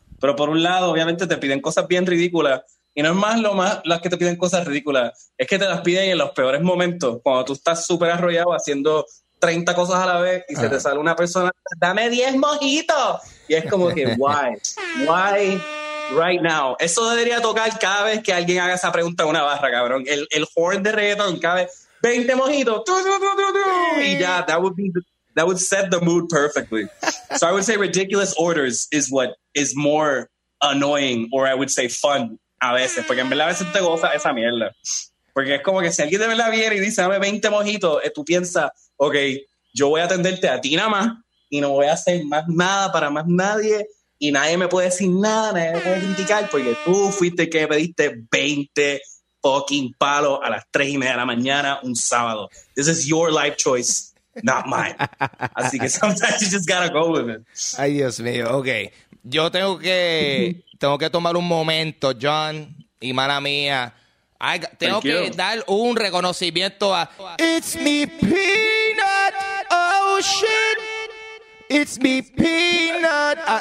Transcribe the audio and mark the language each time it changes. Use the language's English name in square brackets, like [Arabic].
[Spanish] Pero por un lado, obviamente, te piden cosas bien ridículas. Y no es más las que te piden cosas ridículas, es que te las piden en los peores momentos, cuando tú estás súper arrollado haciendo 30 cosas a la vez y se te sale una persona, dame 10 mojitos. [English] Y es como que, why? Why right now? [Spanish] Eso debería tocar cada vez que alguien haga esa pregunta en una barra, cabrón. El horn de reggaetón cada vez, 20 mojitos. [English] Y ya, that would set the mood perfectly. So I would say ridiculous orders is what is more annoying, or I would say fun. [Spanish] A veces, porque en verdad a veces te goza esa mierda. Porque es como que si alguien de verdad viene y dice, dame 20 mojitos, tú piensas, ok, yo voy a atenderte a ti nada más y no voy a hacer más nada para más nadie y nadie me puede decir nada, nadie me puede criticar porque tú fuiste el que me pediste 20 fucking palos a las 3 y media de la mañana un sábado. [English] This is your life choice. Not mine. Así que sometimes you just gotta go with it. [Spanish] Ay, Dios mío. Okay. Yo tengo que tomar un momento, John, y mala mía. Tengo que dar un reconocimiento a [English] It's me peanut ocean. It's me peanut.